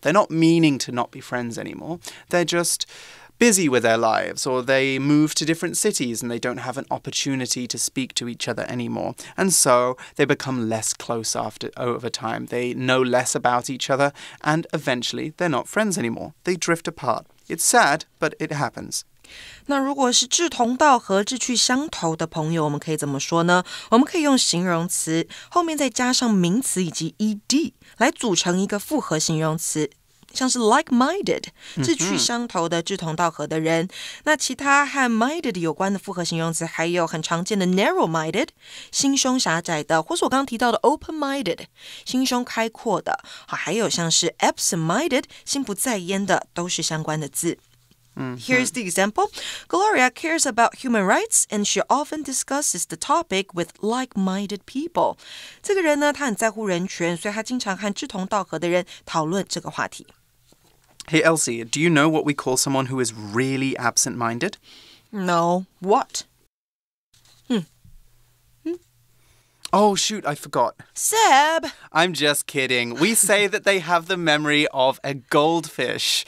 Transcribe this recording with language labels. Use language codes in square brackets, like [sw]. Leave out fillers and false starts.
[en] They're not meaning to not be friends anymore. They're just busy with their lives, or they move to different cities and they don't have an opportunity to speak to each other anymore. And so they become less close over time. They know less about each other, and eventually they're not friends anymore. They drift apart. It's sad, but it happens. [zh] 那如果是志同道合、志趣相投的朋友，我们可以怎么说呢？我们可以用形容词，后面再加上名词以及 ed 来组成一个复合形容词，像是 like-minded， 志趣相投的、志同道合的人。那其他和 minded 有关的复合形容词，还有很常见的 narrow-minded， 心胸狭窄的，或是我刚刚提到的 open-minded， 心胸开阔的。好，还有像是 absent-minded， 心不在焉的，都是相关的字。 [en] Here's the example. Gloria cares about human rights, and she often discusses the topic with like-minded people. [zh] 这个人呢，他很在乎人权，所以他经常和志同道合的人讨论这个话题。 [en] Hey, Elsie, do you know what we call someone who is really absent-minded? No. What? Oh, shoot, I forgot. Seb! I'm just kidding. We say that they have the memory of a goldfish.